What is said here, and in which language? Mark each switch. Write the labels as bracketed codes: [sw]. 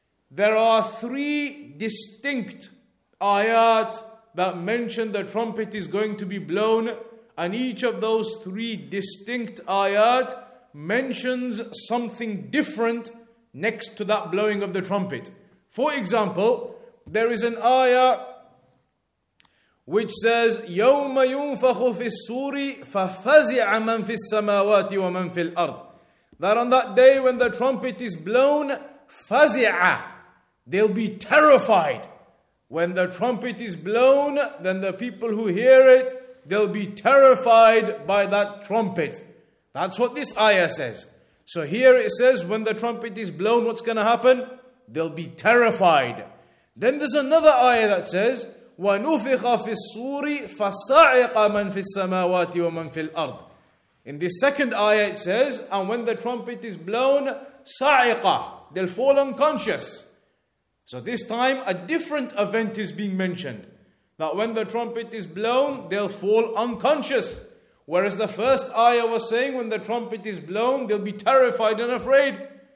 [en] There are 3 distinct ayat that mention the trumpet is going to be blown, and each of those 3 distinct ayat mentions something different next to that blowing of the trumpet. For example, there is an ayah which says, [ar] يَوْمَ يُنْفَخُ فِي السُّورِ فَفَزِعَ مَنْ فِي السَّمَاوَاتِ وَمَنْ فِي الْأَرْضِ. [en] That on that day when the trumpet is blown, فَزِعَ, they'll be terrified. When the trumpet is blown, then the people who hear it, they'll be terrified by that trumpet. That's what this ayah says. So here it says, when the trumpet is blown, what's going to happen? They'll be terrified. Then there's another ayah that says, [ar] وَنُفِخَ فِي الصُّورِ فَصَعِقَ مَنْ فِي السَّمَاوَاتِ وَمَنْ فِي الْأَرْضِ. [en] In this second ayah it says, and when the trumpet is blown, صَعِقَ, they'll fall unconscious. So this time a different event is being mentioned, that when the trumpet is blown, they'll fall unconscious. Whereas the first ayah was saying, when the trumpet is blown, they'll be terrified and afraid.